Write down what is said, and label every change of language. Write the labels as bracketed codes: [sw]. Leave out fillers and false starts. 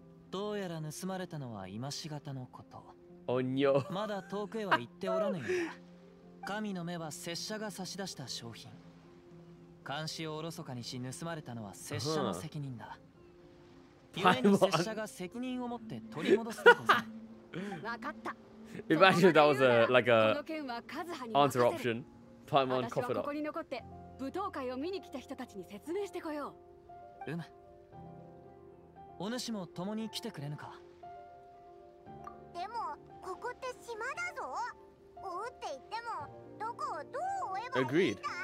[ja] どうやら盗まれたのは今しがたのこと。おにょ。まだ遠くへは行っておらぬが、神の目は拙者が差し出した商品。監視をおろそかにし盗まれたのは拙者の責任だ。故に拙者が責任を持って取り戻すでござる。分かった。 [en] Imagine that was a like a answer option. Paimon coughed up. [ja] 私はここに残って舞踏会を見に来た人たちに説明してこよう。うむ。お主も共に来てくれぬか。でもここって島だぞ。追うって言ってもどこをどう追えばいいんだ。